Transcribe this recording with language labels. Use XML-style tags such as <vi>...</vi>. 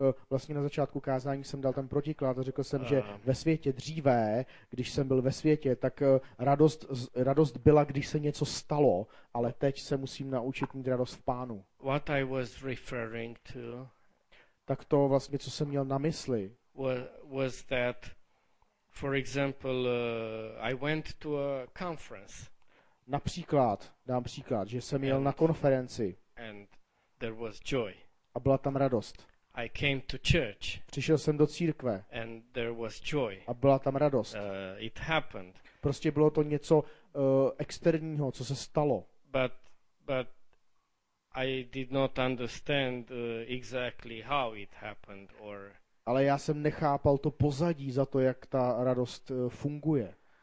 <cs>Vlastně na začátku kázání jsem dal ten protiklad a řekl jsem, že ve světě dříve, když jsem byl ve světě, tak radost byla, když se něco stalo, ale teď se musím naučit mít radost v Pánu.</cs> <en>What I was referring to,</en> <cs>tak to vlastně, co jsem měl na mysli,</cs> <en>was that for example, I went to a conference.</en> <cs>Například, dám příklad, že jsem jel na konferenci.</cs> <en>And there was joy.</en> <cs>A byla tam radost.</cs> <en>I came to church.</en> <cs>Přišel jsem do církve.</cs> <en>And there was joy.</en> <cs>A byla tam radost.</cs> <en>It happened.</en> <cs>Prostě bylo to něco externího, co se stalo.</cs> <en>But I did not understand exactly how it happened or.</en> <cs>Ale já jsem nechápal to pozadí za to, jak ta radost funguje.</cs>